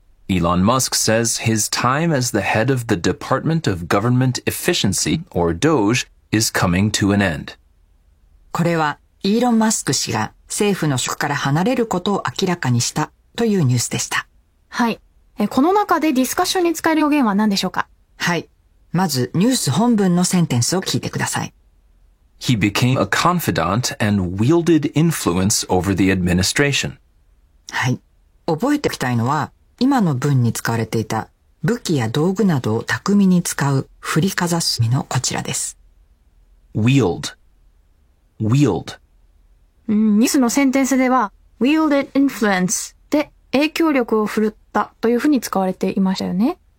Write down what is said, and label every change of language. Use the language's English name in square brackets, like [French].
[English] Elon Musk says his time as the head of the Department of Government Efficiency, or DOGE, is coming to an end. [Japanese] これはイーロン・マスク氏が政府の職から離れることを明らかにしたというニュースでした。はい。この中でディスカッションに使える表現は何でしょうか？はい。まずニュース本文のセンテンスを聞いてください。 [English] He became a confidant and wielded influence over the administration. [Japanese] はい。覚えておきたいのは、今の文に使われていた武器や道具などを巧みに使う振りかざす意味のこちらです。 [English] wield, wield。 [Japanese] ニュースのセンテンスでは、wielded influence で影響力を振るったというふうに使われていましたよね。